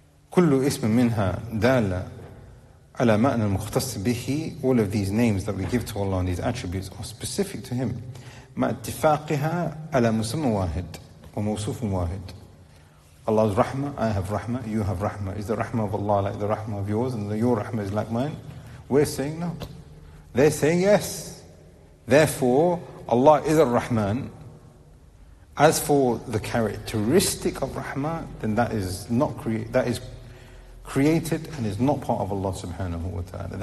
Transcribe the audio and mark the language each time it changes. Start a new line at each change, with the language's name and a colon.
Arabic: كل اسم منها دالة على معنى المختص به.
English: All of these names that we give to Allah and these attributes are specific to Him.
Arabic: مع اتفاقها على مسمى واحد وموصوف واحد.
English: Allah's rahma, I have rahma, you have rahma. Is the rahma of Allah like the rahma of yours, and your rahma is like mine? We're saying no. They say yes. Therefore, Allah is ar-Rahman. As for the characteristic of rahma, then that is not that is created and is not part of Allah subhanahu wa ta'ala.